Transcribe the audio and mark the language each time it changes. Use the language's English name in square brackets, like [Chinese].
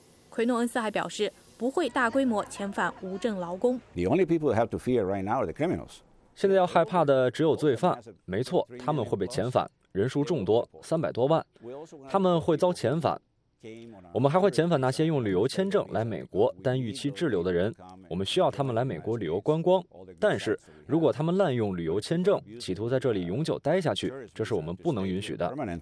[Chinese] 奎诺恩斯还表示，不会大规模遣返无证劳工。 [English] The only people who have to fear right now are the criminals. [Chinese] 现在要害怕的只有罪犯。没错，他们会被遣返，人数众多，300多万。他们会遭遣返。我们还会遣返那些用旅游签证来美国但逾期滞留的人，我们需要他们来美国旅游观光，但是如果他们滥用旅游签证企图在这里永久待下去，这是我们不能允许的。